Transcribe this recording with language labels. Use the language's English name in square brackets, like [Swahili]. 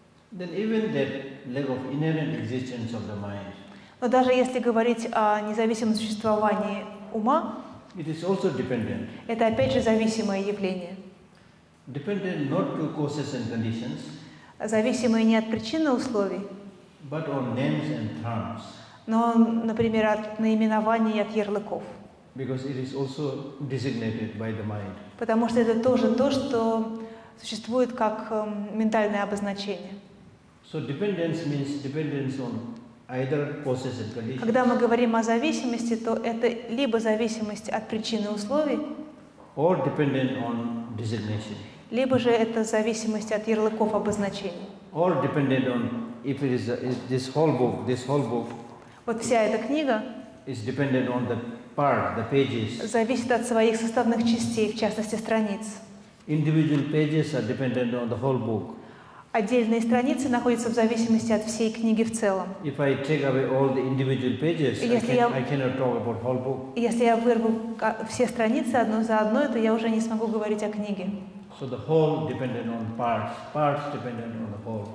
[English] Then even that lack of inherent existence of the mind. [Russian] Но даже если говорить о независимом существовании ума, [English] it is also dependent. [Russian] Это опять же зависимое явление. [English] Dependent not to causes and conditions. [Russian] Зависимое не от причин и условий. [English] But on names and terms. [Russian] Но, например, от наименований и от ярлыков. [English] Because it is also designated by the mind. [Russian] Потому что это тоже то, что существует как ментальное обозначение. [English] So dependence means dependence on either causes and conditions. [Russian] Когда мы говорим о зависимости, то это либо зависимость от причин и условий, [English] or dependent on designation. [Russian] Либо же это зависимость от ярлыков обозначений. [English] Or dependent on if it is this whole book. [Russian] Вот вся эта книга. [English] Is dependent on the part, the pages. [Russian] Зависит от своих составных частей, в частности страниц. [English] Individual pages are dependent on the whole book. [Russian] Отдельные страницы находятся в зависимости от всей книги в целом. Если я вырву все страницы одну за одной, то я уже не смогу говорить о книге. [English] So the whole dependent on parts, parts dependent on the whole.